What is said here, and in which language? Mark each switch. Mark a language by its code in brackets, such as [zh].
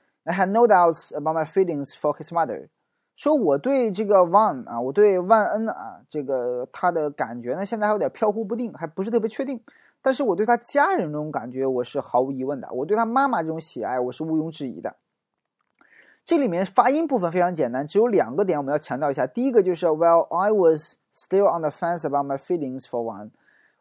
[en] I had no doubts about my feelings for his mother。” [zh] 说我对这个 Vaughn 啊，我对万恩啊，这个他的感觉呢，现在还有点飘忽不定，还不是特别确定。但是我对他家人这种感觉，我是毫无疑问的。我对他妈妈这种喜爱，我是毋庸置疑的。这里面发音部分非常简单，只有两个点我们要强调一下。第一个就是 ：“ [en] Well, I was still on the fence about my feelings for Vaughn。”